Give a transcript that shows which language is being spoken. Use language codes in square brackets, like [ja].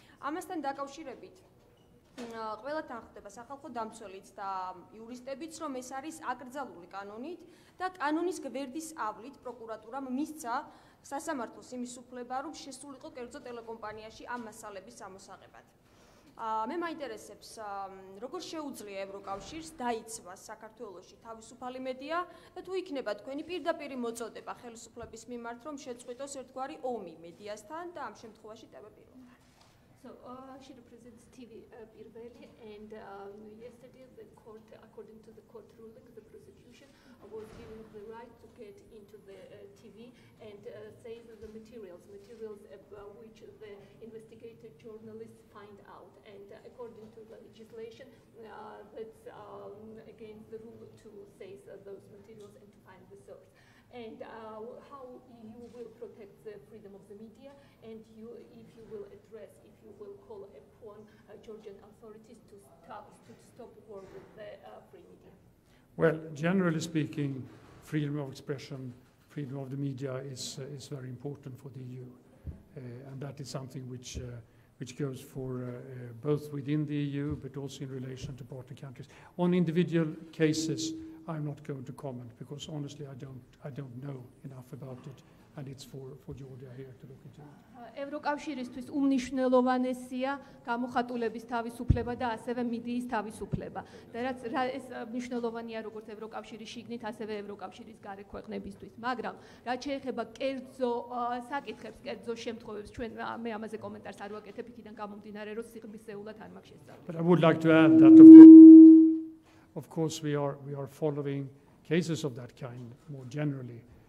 [ka] ამასთან დაკავშირებით ყველათან ხდება სახალხო დამცველიც და იურისტებიც, რომ ეს არის აკრძალული კანონით და კანონის გვერდის ავლით პროკურატურამ მისცა სასამართლოს იმის უფლება, რომ შესულიყო კერძო ტელეკომპანიაში ამ მასალების ამოსაღებად. მე მაინტერესებს, როგორ შეუძლია ევროკავშირს დაიცვას საქართველოში თავისუფალი მედია და თუ იქნება თქვენი პირდაპირი მოწოდება ხელისუფლების მიმართ, რომ შეწყვიტოს ერთგვარი ომი მედიასთან და ამ შემთხვევაში ტევე პირველი. [en] So she represents TV პირველი and yesterday the court, according to the court ruling, the prosecution was given the right to get into the TV and say the materials which the investigative journalists find out, and according to the legislation that's against the rule to say those materials and to find the source. And how you will protect the freedom of the media, and if you will call upon Georgian authorities to stop war with the free media? Well, generally speaking, freedom of expression, freedom of the media is very important for the EU, and that is something which goes for both within the EU but also in relation to partner countries. On individual cases, I'm not going to comment because honestly I don't know enough about it, and it's for Georgia here to look into. [ka] ევროკავშირისთვის უმნიშვნელოვანესია გამოხატულების თავისუფლება და ასევე მედიის თავისუფლება. და რაც ეს მნიშვნელოვანია როგორც ევროკავშირის შიგნით, ასევე ევროკავშირის გარე ქვეყნებისთვის. მაგრამ რაც შეეხება კერძო საკითხებს, კერძო შემთხვევებს, ჩვენ მე ამაზე კომენტარს არ ვაკეთებ იქიდან გამომდინარე, რომ სიღრმისეულად არ მაქვს შესწავლა. [en] But I would like to add that of course we are following cases of that kind more generally.